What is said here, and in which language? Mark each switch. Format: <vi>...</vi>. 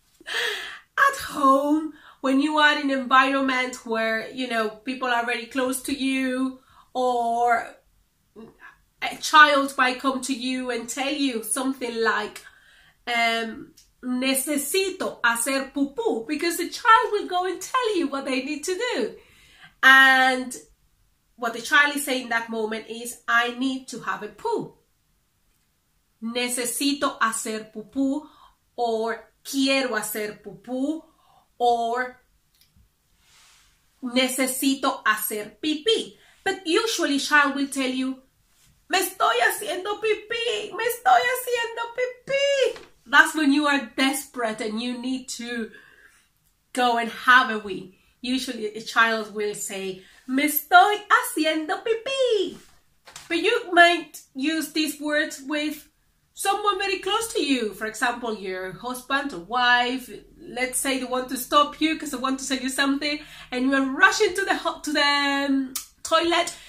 <en>At home, when you are in an environment where, you know, people are very close to you, or a child might come to you and tell you something like,</en> <es>necesito hacer pupú,</es> <en>because the child will go and tell you what they need to do. And what the child is saying in that moment is, I need to have a poo.</en> <es>Necesito hacer pupú, or quiero hacer pupú, or necesito hacer pipí.</es> <en>But usually child will tell you,</en> <es>me estoy haciendo pipí, me estoy haciendo pipí.</es> <en>That's when you are desperate and you need to go and have a wee. Usually a child will say,</en> <es>me estoy haciendo pipí.</es> <en>But you might use these words with someone very close to you. For example, your husband or wife. Let's say they want to stop you because they want to tell you something, and you are rushing to the toilet.</en>